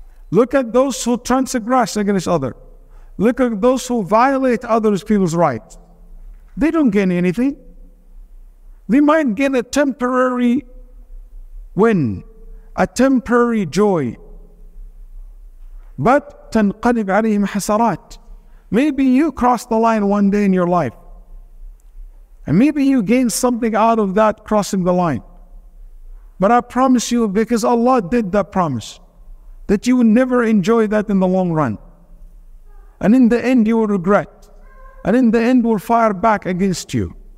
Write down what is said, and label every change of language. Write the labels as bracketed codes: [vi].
[en] Look at those who transgress against others. Look at those who violate others' people's rights. They don't gain anything. They might gain a temporary win, a temporary joy. But [ar] تنقلب عليهم حسرات. [en] Maybe you cross the line one day in your life. And maybe you gain something out of that crossing the line. But I promise you, because Allah did that promise, that you will never enjoy that in the long run. And in the end, you will regret. And in the end, will fire back against you.